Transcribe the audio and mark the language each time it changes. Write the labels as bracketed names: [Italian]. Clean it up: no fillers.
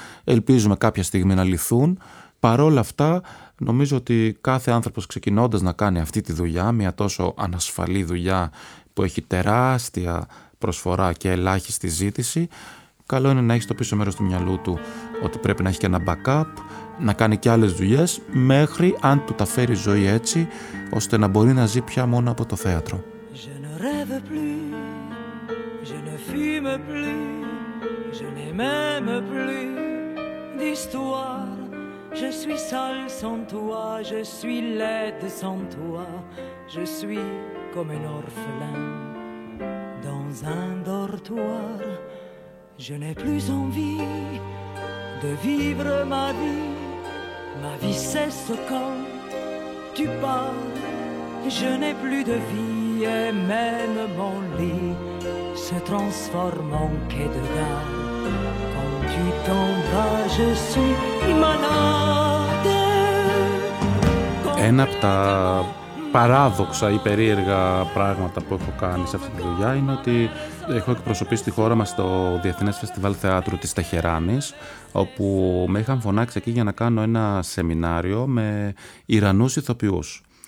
[Greek] Ελπίζουμε κάποια στιγμή να λυθούν. Παρ' όλα αυτά, νομίζω ότι κάθε άνθρωπος ξεκινώντας να κάνει αυτή τη δουλειά, μια τόσο ανασφαλή δουλειά που έχει τεράστια προσφορά και ελάχιστη ζήτηση, καλό είναι να έχει το πίσω μέρος του μυαλού του ότι πρέπει να έχει και ένα backup, να κάνει και άλλες δουλειές, μέχρι αν του τα φέρει η ζωή έτσι, ώστε να μπορεί να ζει πια μόνο από το θέατρο. [French] Je ne rêve plus, je ne fume plus, je n'ai même plus d'histoire. Je suis seule sans toi, je suis laide sans toi, je suis comme un orphelin dans un dortoir. Je n'ai plus envie de vivre ma vie cesse quand tu pars. Je n'ai plus de vie et même mon lit se transforme en quai de gare. Quand tu t'en vas, je suis malade. [Greek] Ένα από τα παράδοξα ή περίεργα πράγματα που έχω κάνει σε αυτή τη δουλειά είναι ότι έχω εκπροσωπήσει τη χώρα μας στο Διεθνές Φεστιβάλ Θεάτρου της Ταχεράνης, όπου με είχαν φωνάξει εκεί για να κάνω ένα σεμινάριο με Ιρανούς ηθοποιούς.